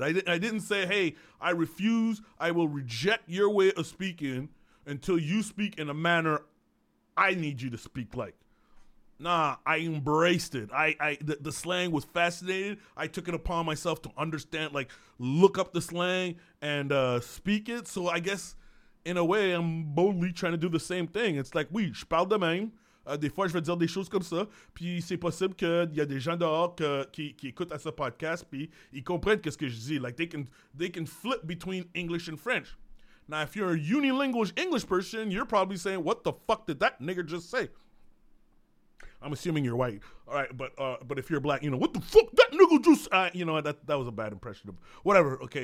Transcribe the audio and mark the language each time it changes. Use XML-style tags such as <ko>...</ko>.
<en>I didn't say, hey, I refuse. I will reject your way of speaking until you speak in a manner I need you to speak like. Nah, I embraced it. The slang was fascinating. I took it upon myself to understand, like, look up the slang and speak it. So I guess, in a way, I'm boldly trying to do the same thing. It's like,</en> <fr>oui, je parle de même. Des fois, je vais dire des choses comme ça. Puis c'est possible qu'il y a des gens dehors qui écoutent à ce podcast puis ils comprennent qu'est-ce que je dis.</fr> <en>Like, they can flip between English and French. Now, if you're a unilingual English person, you're probably saying, what the fuck did that nigger just say? I'm assuming you're white. All right, but if you're black, you know, what the fuck that nigger just... you know, that was a bad impression of... Whatever, okay.</en>